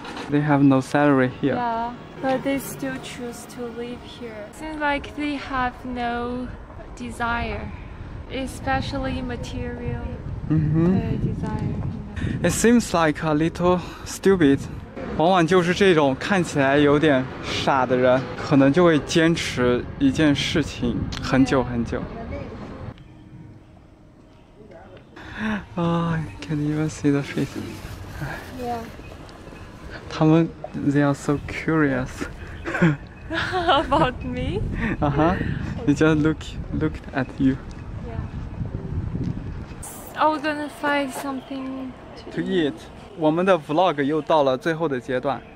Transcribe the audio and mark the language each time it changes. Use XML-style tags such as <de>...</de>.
<en>They have no salary here. Yeah, but they still choose to live here. Seems like they have no desire, especially material desire. It seems like a little stupid.</en> <zh>往往就是这种看起来有点傻的人，可能就会坚持一件事情很久很久。</zh> <en>Oh, I can't even see the face. Yeah. 他们 they are so curious. About me? Uh-huh. They just looked at you. Yeah. I'm gonna find something to eat.</en> <zh>我们的 vlog 又到了最后的阶段。</zh>